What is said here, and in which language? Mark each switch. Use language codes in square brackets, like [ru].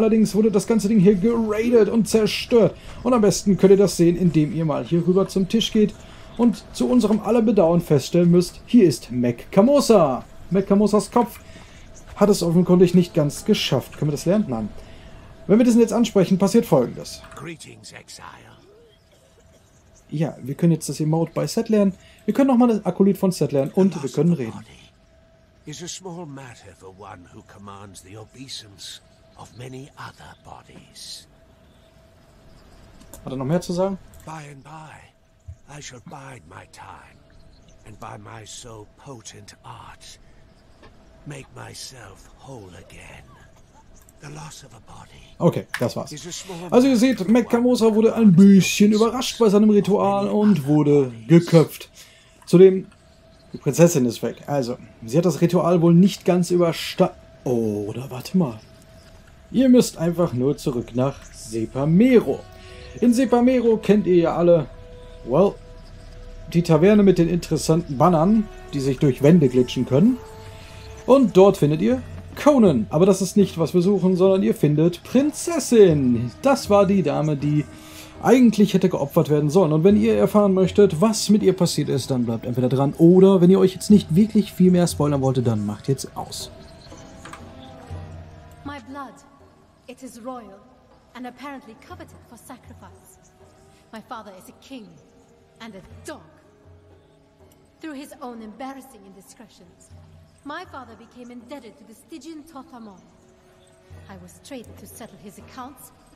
[de] Allerdings wurde das ganze Ding hier geradet und zerstört. Und am besten könnt ihr das sehen, indem ihr mal hier rüber zum Tisch geht und zu unserem aller Bedauern feststellen müsst, hier ist Mekkamosa. Mekkamosas Kopf hat es offenkundig nicht ganz geschafft. Können wir das lernen? Nein. Wenn wir diesen jetzt ansprechen, passiert Folgendes. [en] Greetings, Exile. [de] Ja, wir können jetzt das Emote bei Seth lernen. Wir können nochmal das Akolyt von Seth lernen und wir können reden. [en] Is a small matter for one who commands the obeisance of many other bodies. [de] Hat er noch mehr zu sagen? [en] By and by, I shall bide my time, and by my so potent art, make myself whole again. The loss of a body. Okay, [de] das war's. Also ihr seht, Mekkamosa wurde ein bisschen überrascht bei seinem Ritual und wurde geköpft. Zudem. Die Prinzessin ist weg. Also, sie hat das Ritual wohl nicht ganz überstanden. Oh, oder warte mal. Ihr müsst einfach nur zurück nach Sepamero. In Sepamero kennt ihr ja alle, well, die Taverne mit den interessanten Bannern, die sich durch Wände glitschen können. Und dort findet ihr Conan. Aber das ist nicht, was wir suchen, sondern ihr findet Prinzessin. Das war die Dame, die... eigentlich hätte geopfert werden sollen. Und wenn ihr erfahren möchtet, was mit ihr passiert ist, dann bleibt entweder dran. Oder wenn ihr euch jetzt nicht wirklich viel mehr spoilern wollt, dann macht jetzt aus. [en] My blood, it is royal and apparently coveted for sacrifice. My father is a king and a dog. Through his own embarrassing indiscretions, my father became indebted to the Stygian Totamon. I was traded to settle his accounts